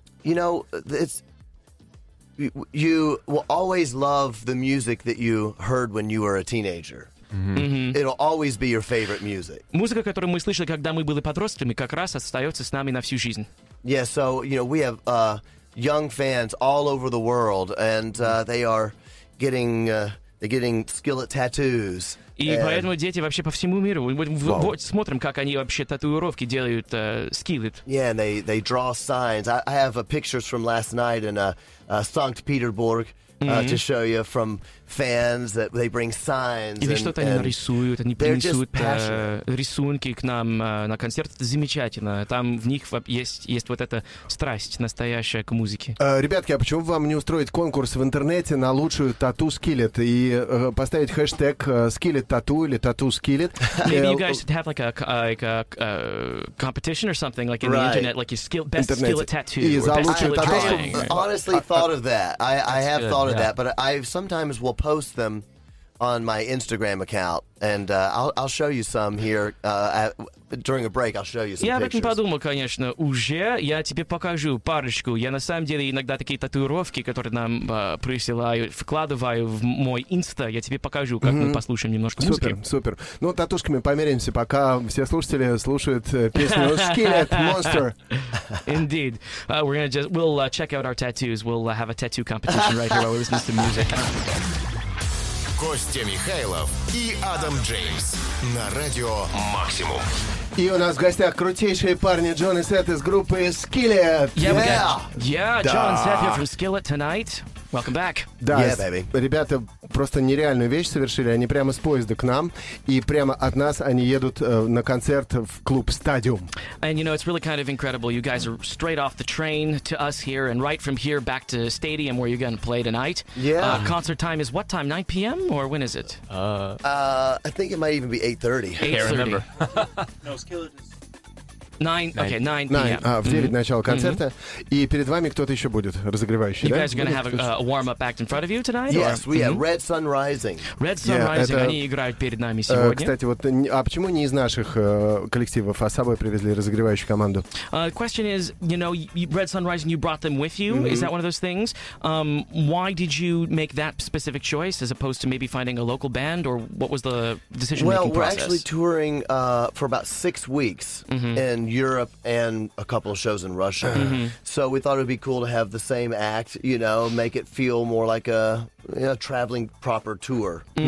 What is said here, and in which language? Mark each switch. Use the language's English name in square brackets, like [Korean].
[English] You know, it's you will always love the music that you heard when you were a teenager. Mm-hmm. Mm-hmm. It'll always be your favorite music. [Russian] Музыка, которую мы слышали, когда мы были подростками, как раз остается с нами на всю жизнь. [English] Yeah, so you know, we have young fans all over the world, and they are getting they're getting skillet tattoos. [Russian] И поэтому дети вообще по всему миру. Вот смотрим, как они вообще татуировки делают, скиллет. [English] Yeah, and they draw signs. I have pictures from last night in Sankt Petersburg mm-hmm. to show you from fans that they bring signs. [Russian] Или что-то они нарисуют, они принесут рисунки к нам на концерт. Это замечательно. Там в них есть вот эта страсть настоящая к музыке. Ребятки, а почему вам не устроить конкурс в интернете на лучшую тату-скиллет и поставить хэштег скиллет-тату или тату-скиллет? [English] Maybe you guys should have like a competition or something like in the internet, like your skill, best skillet tattoo or best skillet drawing. Honestly thought of that. I have thought of that, but I sometimes will post them on my Instagram account, and I'll show you some here during a break. I'll show you some [Russian] я [English] pictures. [Russian] Я так и подумал, конечно, уже я тебе покажу парочку. Я на самом деле иногда такие татуировки, которые нам присылают, вкладываю в мой Инста, я тебе покажу, как mm-hmm. мы послушаем немножко музыки. Супер, супер. Ну, татушками померяемся, пока все слушатели слушают песню Skillet Monster. [English] Indeed. We'll check out our tattoos. We'll have a tattoo competition right here while we listen to music. [Russian] Костя Михайлов и Адам Джеймс на радио Максимум. И у нас в гостях крутейшие парни Джон и Сет из группы Skillet. [English] Yeah, Джон и Сет here from Skillet tonight. Welcome back. [Russian] Да, [English] yeah, baby. [Russian] Ребята просто нереальную вещь совершили. Они прямо с поезда к нам, и прямо от нас они едут на концерт в клуб Stadium. [English] And you know, it's really kind of incredible. You guys are straight off the train to us here, and right from here back to Stadium where you're going to play tonight. Yeah. Concert time is what time? 9 p.m. or when is it? I think it might even be 8:30. I can't remember. No, Skillet is... 9 p.m. [Russian] В 9 mm-hmm. начало концерта. Mm-hmm. И перед вами кто-то еще будет разогревающий. [English] You [Russian] да? [English] guys are going to have a warm-up act in front of you tonight? Yes, we have Red Sun Rising. [Russian] Red Sun Rising. Это... Они играют перед нами сегодня. Кстати, вот, а почему не из наших коллективов, а с собой привезли разогревающую команду? [English] Question is, you know, Red Sun Rising, you brought them with you. Mm-hmm. Is that one of those things? Why did you make that specific choice as opposed to maybe finding a local band? Or what was the decision-making we're actually touring for about 6 weeks mm-hmm. in Europe and a couple of shows in Russia. So we thought it would be cool to have the same act, you know, make it feel more like a, you know, traveling proper tour.